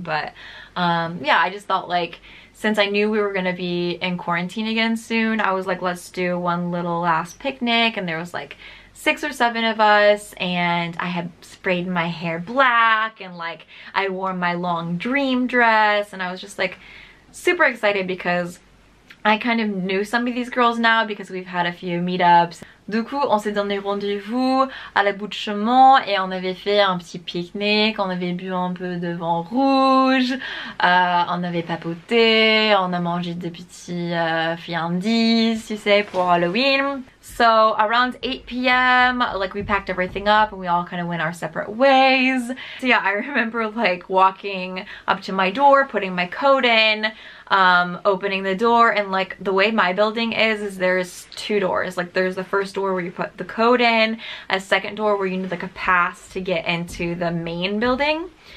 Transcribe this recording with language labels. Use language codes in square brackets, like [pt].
[en] But yeah, I just thought, like, since I knew we were gonna be in quarantine again soon, I was like, let's do one little last picnic. And there was like 6 or 7 of us, and I had sprayed my hair black, and like I wore my long dream dress, and I was just like super excited because I kind of knew some of these girls now because we've had a few meetups. [fr] Du coup, on s'est donné rendez-vous à la bout de chemin et on avait fait un petit pique-nique, on avait bu un peu de vin rouge, on avait papoté, on a mangé des petits friandises, tu sais, pour Halloween. [en] So around 8 p.m, like, we packed everything up and we all kind of went our separate ways. So yeah, I remember like walking up to my door, putting my coat in, opening the door, and like the way my building is there's two doors. Like, there's the first door where you put the coat in, a second door where you need like a pass to get into the main building.